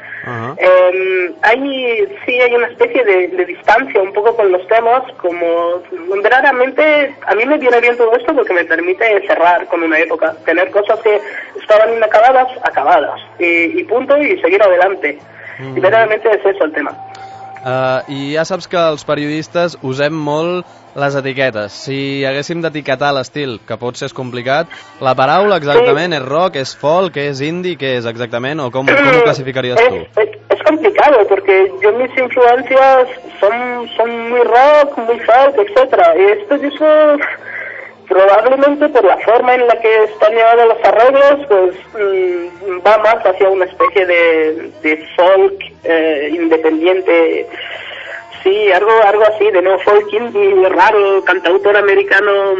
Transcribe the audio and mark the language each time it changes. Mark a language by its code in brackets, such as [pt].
[es] Hay una especie de distancia un poco con los temas, como raramente a mí me viene bien todo esto porque me permite cerrar con una época, tener cosas que estaban inacabadas, acabadas, y punto, y seguir adelante. Y verdaderamente es eso el tema. [ca] I ja saps que els periodistes usem molt les etiquetes. Si haguéssim d'etiquetar l'estil, que pot ser complicat, la paraula exactament és rock, és folk, és indie, què és exactament, o com ho classificaries tu? És complicat, perquè jo mis influències són molt rock, molt folk, etc. [es] I esto dice, probablemente per la forma en la que están llevados los arreglos, pues va más hacia una especie de folk independiente. Sí, algo así, de nuevo folk indie, raro, cantautor americano.